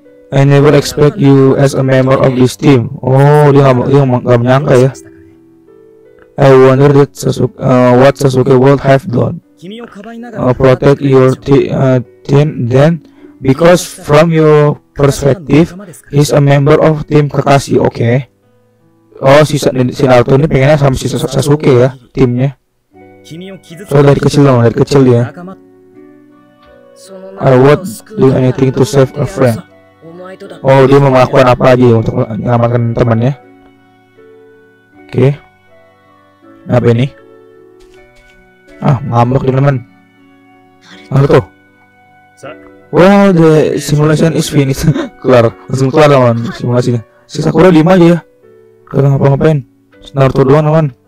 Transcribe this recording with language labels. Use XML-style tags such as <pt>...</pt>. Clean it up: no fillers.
<en>I never expect you as a member of this team.</en> <id>Dia nggak menyangka ya.</id> <en>I wonder that what Sasuke would have done. Protect your team then, because from your perspective, he's a member of team Kakashi. Okay.</en> <id>Si Naruto ini pengennya sama si Sasuke ya, timnya. Soalnya dari kecil dia.</id> <en>I would do anything to save a friend.</en> <id>Dia mau melakukan apa aja untuk menyelamatkan temannya. Oke. Okay. Apa ini? Ah, ngambek di teman. Ah, tuh.</id> <en>Well, the simulation is finished.</en> <id>Kelar. Langsung kelar lawan simulasinya. Sisa kura 5 aja ya. Kagak ngapa-ngapain. Naruto doang lawan.</id>